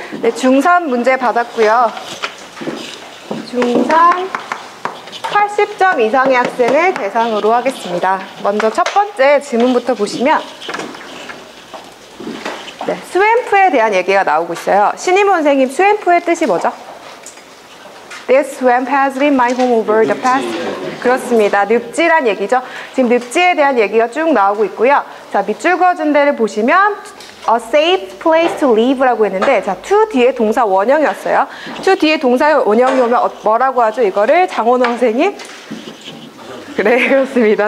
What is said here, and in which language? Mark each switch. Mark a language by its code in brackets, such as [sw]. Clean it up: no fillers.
[ko] 네, 중3 문제 받았고요. 중3 80점 이상의 학생을 대상으로 하겠습니다. 먼저 첫 번째 질문부터 보시면 네, 스웸프에 대한 얘기가 나오고 있어요. 신임 선생님, 스웸프의 뜻이 뭐죠? [en] This swamp has been my home over the past. [ko] 그렇습니다. 늪지란 얘기죠. 지금 늪지에 대한 얘기가 쭉 나오고 있고요. 자, 밑줄 그어준 데를 보시면 [en] A safe place to live [ko] 라고 했는데 자, to 뒤에 동사 원형이었어요. to 뒤에 동사 원형이 오면 뭐라고 하죠? 이거를 장원 선생님? 그래, 그렇습니다.